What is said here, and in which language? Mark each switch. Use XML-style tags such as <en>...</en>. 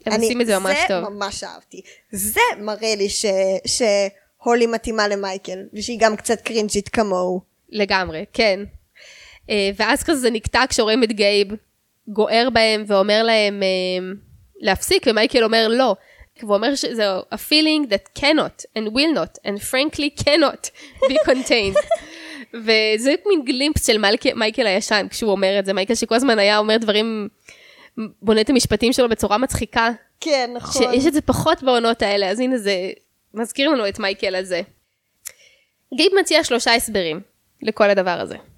<he>הם עושים את זה ממש טוב. זה ממש אהבתי. זה מראה לי שהולי מתאימה למייקל, ושהיא גם קצת קרינג'ית כמוהו. לגמרי, כן. ואז כזה נקטע כשרואים את גייב, גואר בהם ואומר להם להפסיק, ומייקל אומר לא. והוא אומר שזה</he> <en>a feeling that cannot and will not and frankly cannot be contained.</en> <he>וזה מין גלימפס של מייקל הישן כשהוא אומר את זה. מייקל שכל הזמן היה אומר דברים, בונה את המשפטים שלו בצורה מצחיקה. כן, נכון. שיש את זה פחות בעונות האלה, אז הנה זה מזכיר לנו את מייקל הזה. גייב מציע שלושה הסברים לכל הדבר הזה.</he>